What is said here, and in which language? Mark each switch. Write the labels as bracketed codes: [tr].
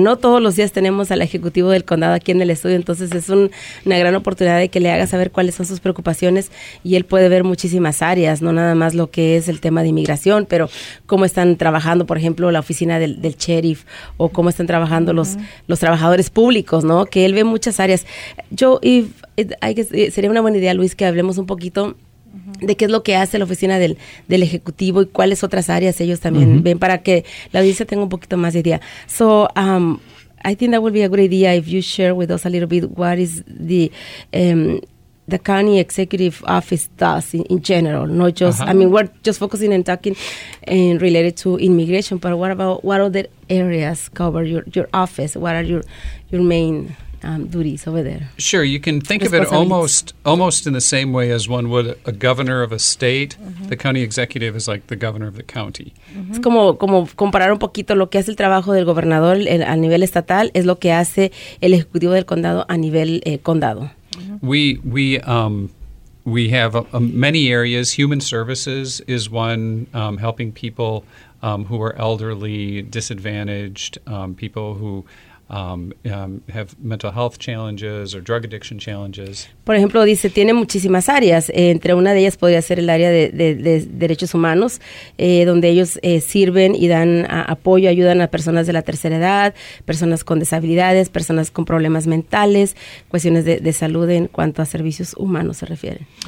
[es] No todos los días tenemos al ejecutivo del condado aquí en el estudio, entonces es una gran oportunidad de que le haga saber cuáles son sus preocupaciones, y él puede ver muchísimas áreas, no nada más lo que es el tema de inmigración, pero cómo están trabajando, por ejemplo, la oficina del sheriff, o cómo están trabajando los trabajadores públicos, ¿no? Que él ve muchas áreas. Sería una buena idea, Luis, que hablemos un poquito de qué es lo que hace la oficina del ejecutivo y cuáles otras áreas ellos también ven, para que la audiencia tenga un poquito más de idea. [en] So, I think that would be a great idea if you share with us a little bit what is the county executive office does in general, not just, uh-huh. I mean, we're just focusing and talking and related to immigration, but what about what other areas cover your office? What are your main duties over there? Sure, you can think of it almost in the same way as one would a governor of a state. Mm-hmm. The county executive is like the governor of the county. [es] Mm-hmm. Es como comparar un poquito lo que hace el trabajo del gobernador a nivel estatal, es lo que hace el ejecutivo del condado a nivel condado. [en] Mm-hmm. We have many areas. Human services is one, helping people who are elderly, disadvantaged, people who have mental health challenges or drug addiction challenges. [es] Por ejemplo, dice, tiene muchísimas áreas. Entre una de ellas podría ser el área de derechos humanos, donde ellos sirven y dan apoyo, ayudan a personas de la tercera edad, personas con desabilidades, personas con problemas mentales, cuestiones de salud en cuanto a servicios humanos se refiere.